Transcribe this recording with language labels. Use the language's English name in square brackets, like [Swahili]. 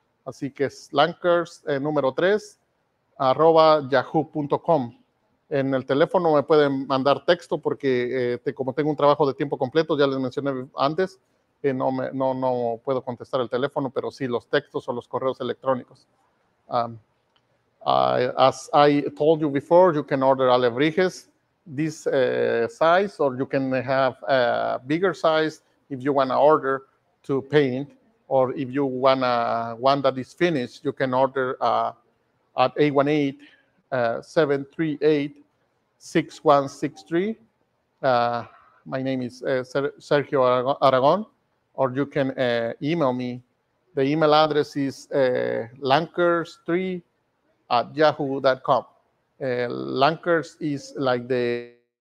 [Spanish] Así que es Lakers, número 3, @yahoo.com. En el teléfono me pueden mandar texto porque como tengo un trabajo de tiempo completo, ya les mencioné antes, no puedo contestar el teléfono, pero sí los textos o los correos electrónicos. [English] As I told you before, you can order alebrijes this size, or you can have a bigger size if you want to order to paint, or if you want one that is finished, you can order at 818-738-6163. My name is Sergio Aragon, or you can email me. The email address is lankers3@yahoo.com. Lankers is like the